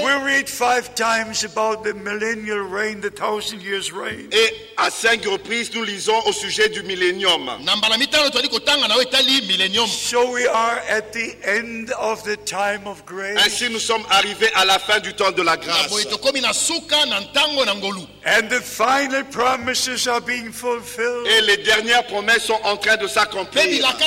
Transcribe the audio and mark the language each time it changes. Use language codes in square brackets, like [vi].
[en] We read 5 times about the millennial reign, the 1,000 years reign. [fr] Et à 5 reprises, nous lisons au sujet du millénium. [en] So we are at the end of the time of grace. [fr] Ainsi, nous sommes arrivés à la fin du temps de la grâce. [en] And the final promises are being fulfilled. [fr] Et les dernières promesses sont en train de s'accomplir.